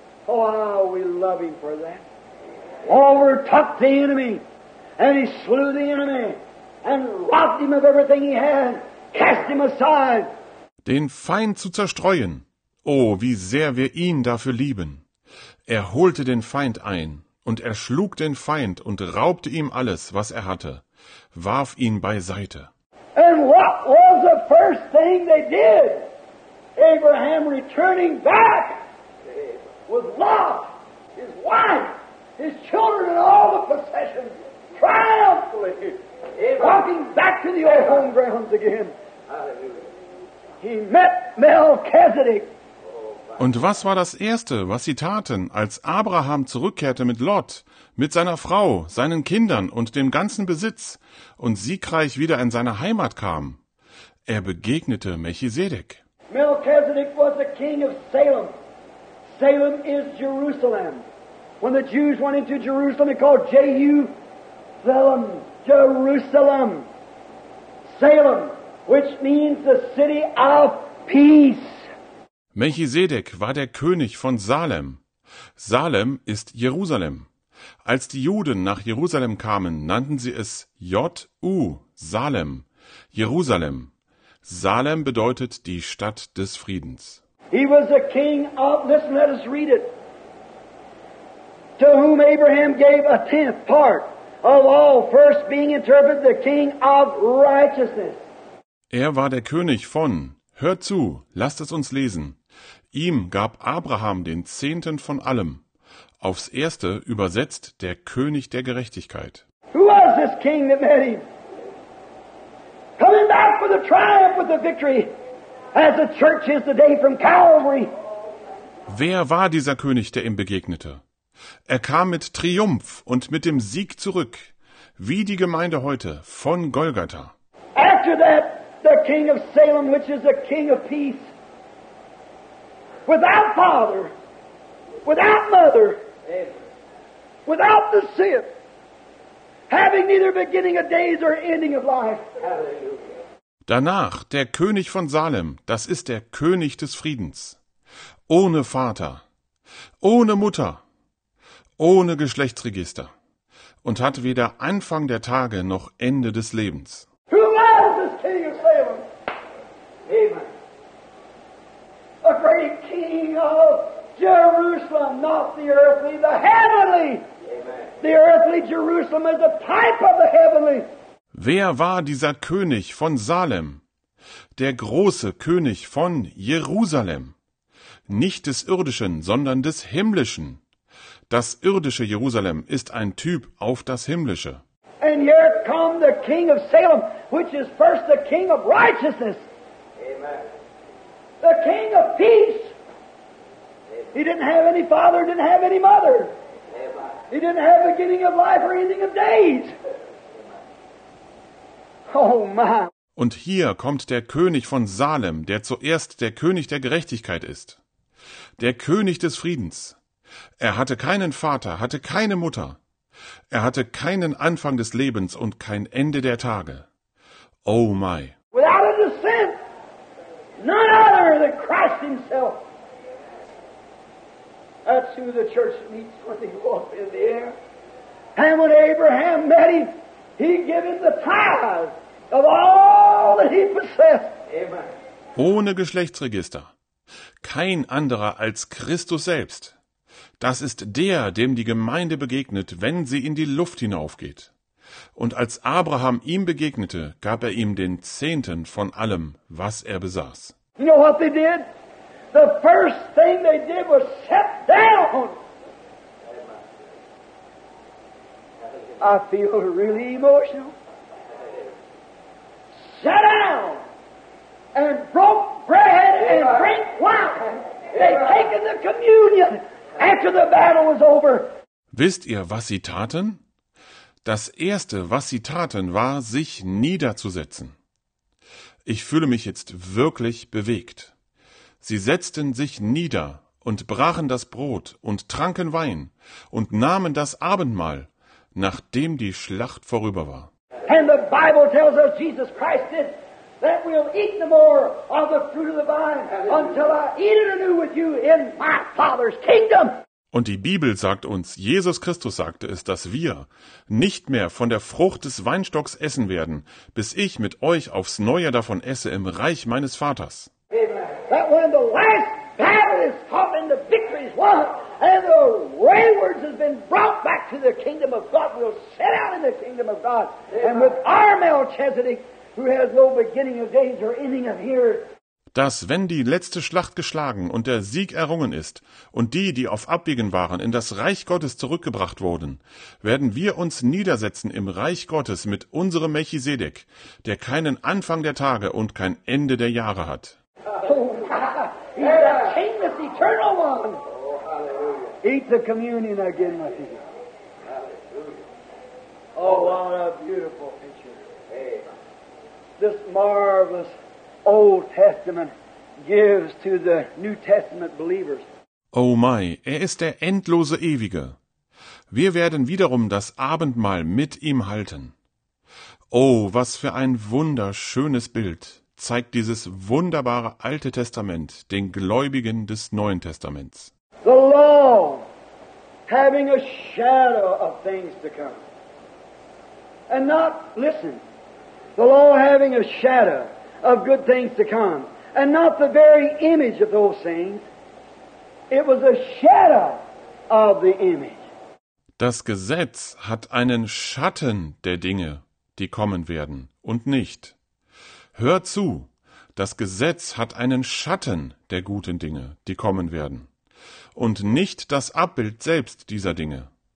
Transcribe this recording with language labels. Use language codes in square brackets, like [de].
[en] Oh, how we love him for that. Overtook the enemy, and he slew the enemy, and robbed him of everything he had, cast him aside. [de] Den Feind zu zerstreuen. Oh, wie sehr wir ihn dafür lieben. Er holte den Feind ein, und er schlug den Feind und raubte ihm alles, was er hatte, warf ihn beiseite. [en] And what was the first thing they did? Abraham returning back. With Lot, his wife, his children, and all the possessions, triumphantly, amen, walking back to the old home grounds again. Hallelujah. He met Melchizedek. [de] Und was war das Erste, was sie taten, als Abraham zurückkehrte mit Lot, mit seiner Frau, seinen Kindern und dem ganzen Besitz und siegreich wieder in seine Heimat kam? Er begegnete Melchizedek. [en] Melchizedek was the king of Salem. Salem is Jerusalem. When the Jews went into Jerusalem, they called Jehu-Salem, Jerusalem. Salem, which means the city of peace. [de] Melchisedek war der König von Salem. Salem ist Jerusalem. Als die Juden nach Jerusalem kamen, nannten sie es J-U, Salem, Jerusalem. Salem bedeutet die Stadt des Friedens. [en] He was a king of, listen, let us read it, to whom Abraham gave a tenth part of all, first being interpreted the king of righteousness. [de] Er war der König von, hört zu, lasst es uns lesen, ihm gab Abraham den Zehnten von allem, aufs Erste übersetzt der König der Gerechtigkeit. [en] Who was this king that met him? Coming back with a triumph, with a victory. As the church is today from Calvary. [de] Wer war dieser König, der ihm begegnete? Er kam mit Triumph und mit dem Sieg zurück, wie die Gemeinde heute von Golgatha. [en] After that, the king of Salem, which is the king of peace, without father, without mother, without the sin, having neither beginning of days or ending of life. Hallelujah. [de] Danach der König von Salem, das ist der König des Friedens. Ohne Vater, ohne Mutter, ohne Geschlechtsregister und hat weder Anfang der Tage noch Ende des Lebens. [en] Who was this king of Salem? Amen. A great king of Jerusalem, not the earthly, the heavenly. Amen. The earthly Jerusalem is a type of the heavenly. [de] Wer war dieser König von Salem? Der große König von Jerusalem. Nicht des irdischen, sondern des himmlischen. Das irdische Jerusalem ist ein Typ auf das himmlische. [en] And here come the king of Salem, which is first the king of righteousness. Amen. The king of peace. He didn't have any father, didn't have any mother. Amen. He didn't have beginning of life or ending of days. Oh my. [de] Und hier kommt der König von Salem, der zuerst der König der Gerechtigkeit ist. Der König des Friedens. Er hatte keinen Vater, hatte keine Mutter. Er hatte keinen Anfang des Lebens und kein Ende der Tage. [en] Oh my. Without a descent, none other than Christ himself. That's who the church meets when they walk in the air. And when Abraham met him, he gave him the tithe. Of all that he possessed. Amen. [de] Ohne Geschlechtsregister. Kein anderer als Christus selbst. Das ist der, dem die Gemeinde begegnet, wenn sie in die Luft hinaufgeht. Und als Abraham ihm begegnete, gab er ihm den Zehnten von allem, was er besaß. [en] You know what they did? The first thing they did was sit down. Amen. I feel really emotional. Sat down and broke bread and drank wine. They'd taken the communion after the battle was over. [de] Wisst ihr, was sie taten? Das Erste, was sie taten, war, sich niederzusetzen. Ich fühle mich jetzt wirklich bewegt. Sie setzten sich nieder und brachen das Brot und tranken Wein und nahmen das Abendmahl, nachdem die Schlacht vorüber war. [en] And the Bible tells us Jesus Christ did that we'll eat no more of the fruit of the vine until I eat it anew with you in my Father's kingdom. [de] Und die Bibel sagt uns, Jesus Christus sagte es, dass wir nicht mehr von der Frucht des Weinstocks essen werden, bis ich mit euch aufs Neue davon esse im Reich meines Vaters. [en] Amen. That when the last battle is fought and the victory is won and the waywards has been brought back to the kingdom of God, we'll sit out in the kingdom of God. Amen. And with our Melchizedek, who has no beginning of days or ending of years. [de] Dass, wenn die letzte Schlacht geschlagen und der Sieg errungen ist und die, die auf Abwegen waren, in das Reich Gottes zurückgebracht wurden, werden wir uns niedersetzen im Reich Gottes mit unserem Melchisedek, der keinen Anfang der Tage und kein Ende der Jahre hat. [en] Oh, he's the kingless eternal one. Oh, hallelujah. Eat the communion again with him. Hallelujah. Oh, what a beautiful picture. Hey. This marvelous Old Testament gives to the New Testament believers. Oh my, [de] er ist der endlose Ewige. Wir werden wiederum das Abendmahl mit ihm halten. Oh, was für ein wunderschönes Bild zeigt dieses wunderbare Alte Testament den Gläubigen des Neuen Testaments. [en] The law having a shadow of things to come. And not, listen, the law having a shadow of good things to come, and not the very image of those things. It was a shadow of the image. [de] Das Gesetz hat einen Schatten der Dinge, die kommen werden, und nicht. Hör zu, das Gesetz hat einen Schatten der guten Dinge, die kommen werden, und nicht das Abbild selbst dieser Dinge.